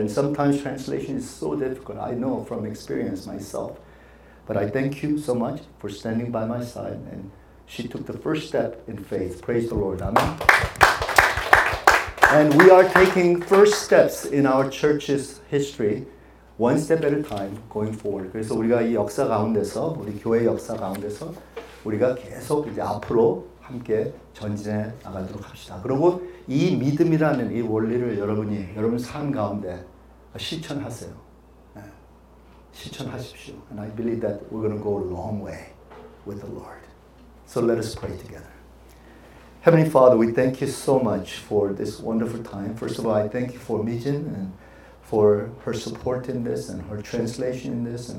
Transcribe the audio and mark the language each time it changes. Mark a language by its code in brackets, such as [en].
[en] And sometimes translation is so difficult. I know from experience myself. But I thank you so much for standing by my side. And she took the first step in faith. Praise the Lord. Amen. And we are taking first steps in our church's history, one step at a time, going forward. [ko] 그래서 우리가 이 역사 가운데서, 우리 교회 역사 가운데서 우리가 계속 이제 앞으로 함께 전진해 나가도록 합시다. 그리고 이 믿음이라는 이 원리를 여러분이 여러분 삶 가운데 실천하세요. 네. 실천하십시오. [en] And I believe that we're going to go a long way with the Lord. So let us pray together. Heavenly Father, we thank you so much for this wonderful time. First of all, I thank you for Mijin and for her support in this and her translation in this.